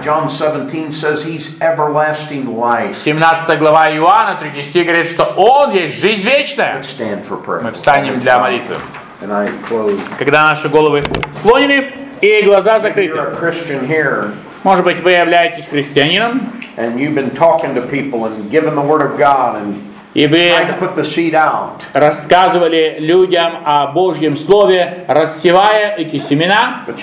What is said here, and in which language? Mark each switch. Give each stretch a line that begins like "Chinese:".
English: John 17 says he's everlasting life.
Russian: 17 глава Иоанна 3 стих говорит, что он есть жизнь вечная.
English: Let's stand for prayer.
Russian: Мы встанем для молитвы.
English: And I close.
Russian: Когда наши головы склонены и глаза закрыты.
English: You're a Christian here.
Russian: Может быть, вы являетесь христианином?
English: And you've been talking to people and giving the word of God and
Russian: И вы рассказывали людям о Божьем Слове, рассевая эти семена.